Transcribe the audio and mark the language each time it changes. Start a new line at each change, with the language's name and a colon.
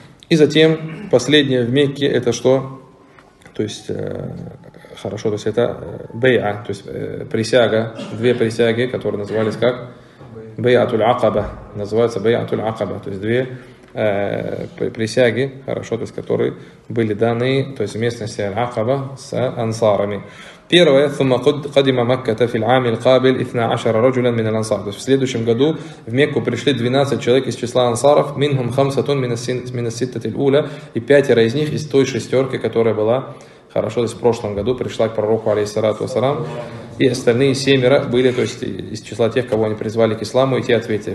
Russian: И затем последнее в Мекке, это что? То есть, хорошо, то есть это бей'а, то есть присяга, две присяги, которые назывались как? Бей'атуль Акаба, называется Бей'атуль Акаба, то есть две присяги, хорошо, то есть которые были даны, то есть в местности Аль-Акаба с ансарами. Первое,
Arabic: ثُمَّ قَدِمَ مَكَّةَ فِي الْعَامِ الْقَابِلِ 12 رَجُلًا مِنَ الْأَنصَارِ.
Russian: То есть в следующем году в Мекку пришли 12 человек из числа ансаров,
Arabic: مِنْهُمْ خَمْسَةٌ مِنَ السِّتَّةِ الْأُولَى,
Russian: и пятеро из них из той шестерки, которая была, хорошо, то есть в прошлом году пришла к пророку, алейхиссалату вассалам. И остальные семеро были, то есть из числа тех, кого они призвали к исламу, и те ответили.